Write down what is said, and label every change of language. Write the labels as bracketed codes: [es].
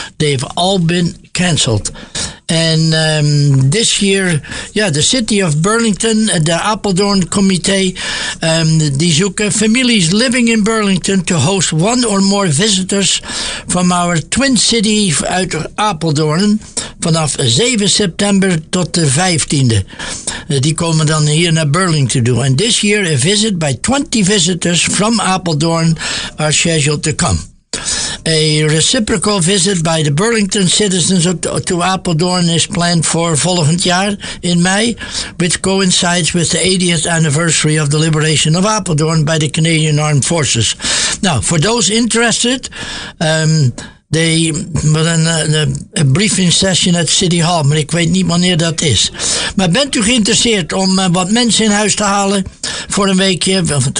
[en] They have all been cancelled. [nl] En [en] this year, [nl] ja, de [en] City of Burlington, [nl] de Apeldoorn Comité, die zoeken [en] families living in Burlington to host one or more visitors from our Twin City [nl] uit Apeldoorn vanaf 7 september tot de 15e. Die komen dan hier naar Burlington toe. [en] And this year a visit by 20 visitors from Apeldoorn are scheduled to come. A reciprocal visit by the Burlington citizens to Apeldoorn is planned for [nl] volgend jaar in mei, [en] which coincides with the 80th anniversary of the liberation of Apeldoorn by the Canadian Armed Forces. Now, for those interested, a briefing session at City Hall, [nl] maar ik weet niet wanneer dat is. Maar bent u geïnteresseerd om wat mensen in huis te halen voor een weekje?